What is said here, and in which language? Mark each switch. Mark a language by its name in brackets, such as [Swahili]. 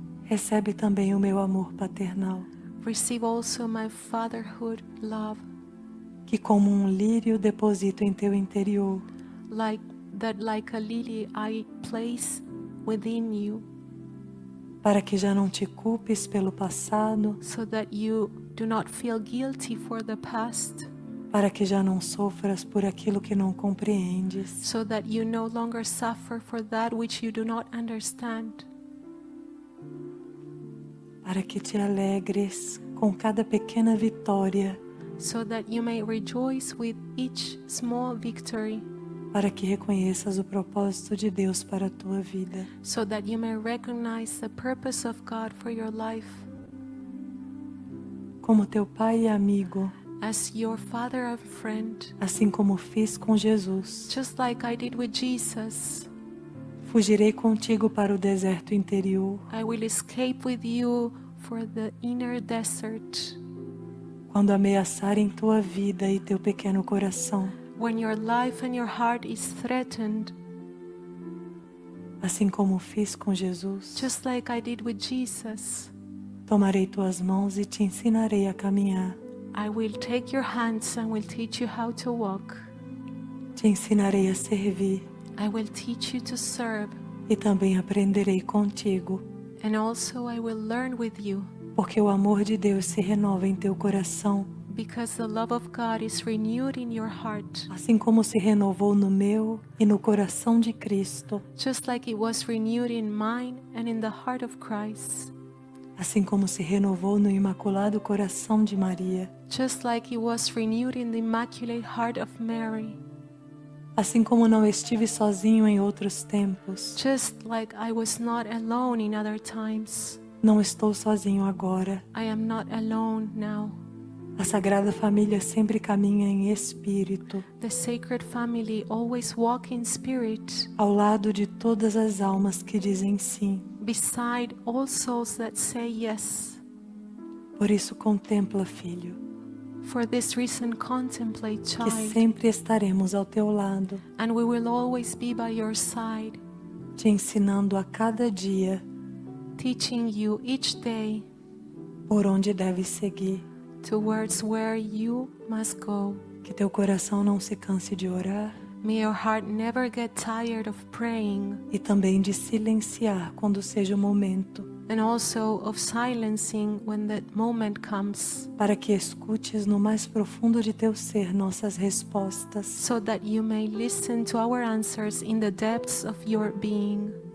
[Portuguese] Recebe também o meu amor paternal. [English] Receive also my fatherhood love. [Portuguese] Que como um lírio deposito em teu interior. [English] Like a lily I place within you. [Portuguese] Para que já não te culpes pelo passado. [English] So that you do not feel guilty for the past. [Portuguese] Para que já não sofras por aquilo que não compreendes. [English] So that you no longer suffer for that which you do not understand. [Portuguese] Para que te alegres com cada pequena vitória. [English] So that you may rejoice with each small victory. [Portuguese] Para que reconheças o propósito de Deus para a tua vida. [English] So that you may recognize the purpose of God for your life. [Portuguese] Como teu pai e amigo. [English] As your father and friend. [Portuguese] Assim como fiz com Jesus. [English] Just like I did with Jesus. [Portuguese] Fugirei contigo para o deserto interior. [English] I will escape with you for the inner desert. [Portuguese] Quando ameaçarem tua vida e teu pequeno coração. [English] When your life and your heart is threatened, [Portuguese] assim como fiz com Jesus, [English] just like I did with Jesus, [Portuguese] tomarei tuas mãos e te ensinarei a caminhar. [English] I will take your hands and will teach you how to walk. [Portuguese] Te ensinarei a servir. [English] I will teach you to serve. [Portuguese] E também aprenderei contigo. [English] And also I will learn with you. [Portuguese] Porque o amor de Deus se renova em teu coração. [English] Because the love of God is renewed in your heart. [Portuguese] Assim como se renovou no meu e no coração de Cristo. [English] Just like it was renewed in mine and in the heart of Christ. [Portuguese] Assim como se renovou no Imaculado Coração de Maria. [English] Just like it was renewed in the Immaculate Heart of Mary. [Portuguese] Assim como não estive sozinho em outros tempos. [English] Just like I was not alone in other times. [Portuguese] Não estou sozinho agora. [English] I am not alone now. [Portuguese] A Sagrada Família sempre caminha em espírito. [English] The Sacred Family always walk in spirit. [Portuguese] Ao lado de todas as almas que dizem sim. [English] Beside all souls that say yes. [Portuguese] Por isso contempla, filho. [English] For this reason, contemplate, child. [Portuguese] Que sempre estaremos ao teu lado. [English] And we will always be by your side. [Portuguese] Te ensinando a cada dia. [English] Teaching you each day. [Portuguese] Por onde deve seguir. [English] Towards where you must go. [Portuguese] Que teu coração não se canse de orar. [English] May your heart never get tired of praying. [Portuguese] E também de silenciar quando seja o momento. [English] And also of silencing when that moment comes. [Portuguese] Para que escutes no mais profundo de teu ser nossas respostas. [English] So that you may listen to our answers in the depths of your being.